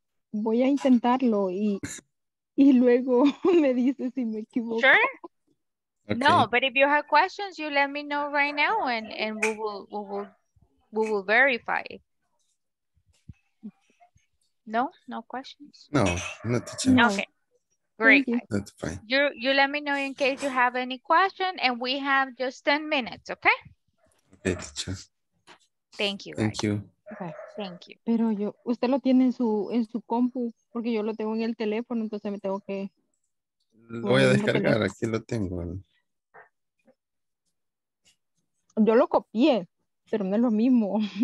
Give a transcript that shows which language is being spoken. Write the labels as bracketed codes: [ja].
[es] Voy a intentarlo y luego me dice si me equivoco. [en] Sure. Okay. No, but if you have questions, you let me know right now and we will verify. No? No questions? No, not the chance. Okay. Great. That's fine. You let me know in case you have any question and we have just 10 minutes, okay? Okay, teacher. Thank you. Thank you. Okay, thank you. [es] Pero yo, usted lo tiene en su compu, porque yo lo tengo en el teléfono, entonces me tengo que... Lo voy a descargar, aquí lo tengo. Yo lo copié, pero no es lo mismo.